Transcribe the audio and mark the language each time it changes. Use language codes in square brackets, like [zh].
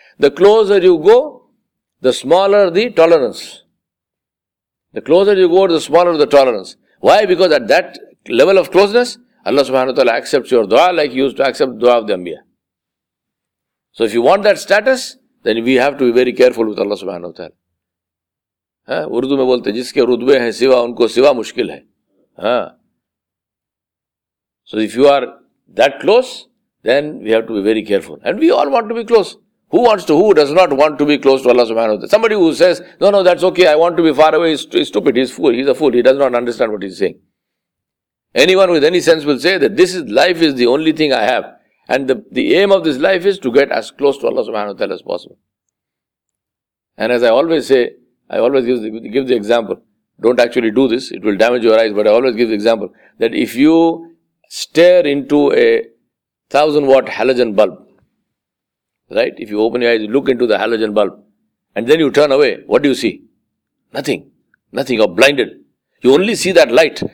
[en] The closer you go, the smaller the tolerance. The closer you go, the smaller the tolerance. Why? Because at that level of closeness, Allah subhanahu wa ta'ala accepts your dua like He used to accept the dua of the Anbiya. So if you want that status, then we have to be very careful with Allah subhanahu wa ta'ala. [ur] Urdu میں بولتے جس کے رتبے ہیں سوا ان کو سوا مشکل ہے [en] So if you are that close then we have to be very careful and we all want to be close who wants to who does not want to be close to Allah سبحانہ وتعالیٰ somebody who says no no that's okay I want to be far away stupid he's fool he's a fool he does not understand what he is saying anyone with any sense will say that this is life is the only thing I have and the aim of this life is to get as close to Allah سبحانہ وتعالیٰ as possible and as I always say I always give the example. Don't actually do this. It will damage your eyes. But I always give the example that if you stare into a 1000-watt halogen bulb, right? If you open your eyes, you look into the halogen bulb and then you turn away, what do you see? Nothing. Nothing. You're blinded. You only see that light.